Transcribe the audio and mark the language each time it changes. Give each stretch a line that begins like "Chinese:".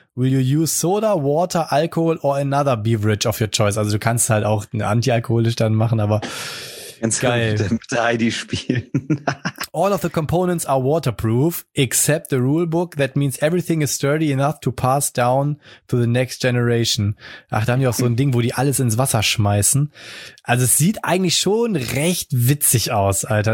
English: Will you use soda, water, alcohol or another beverage of your choice?
German: Also du kannst halt auch antialkoholisch dann machen, aber ganz geil. Mit der Heidi spielen.
English: All of the components are waterproof, except the rulebook. That means everything is sturdy enough to pass down to the next generation.
German: Ach, da haben die auch so ein Ding, wo die alles ins Wasser schmeißen. Also es sieht eigentlich schon recht witzig aus, Alter.